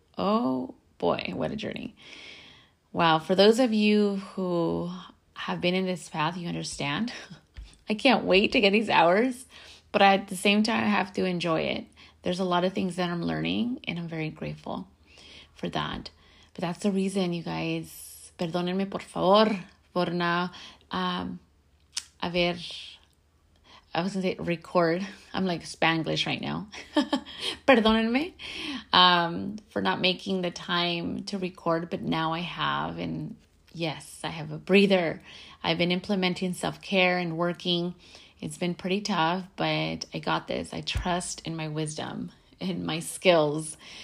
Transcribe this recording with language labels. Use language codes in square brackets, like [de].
[en] Oh boy, what a journey. Wow, for those of you who have been in this path, you understand. I can't wait to get these hours, but at the same time, I have to enjoy it. There's a lot of things that I'm learning, and I'm very grateful for that. But that's the reason, you guys. [es] Perdónenme, por favor, por no haber... [en] I was going to say record. I'm like Spanglish right now. [es] Perdónenme [en] for not making the time to record, but now I have. And yes, I have a breather. I've been implementing self-care and working. It's been pretty tough, but I got this. I trust in my wisdom and my skills.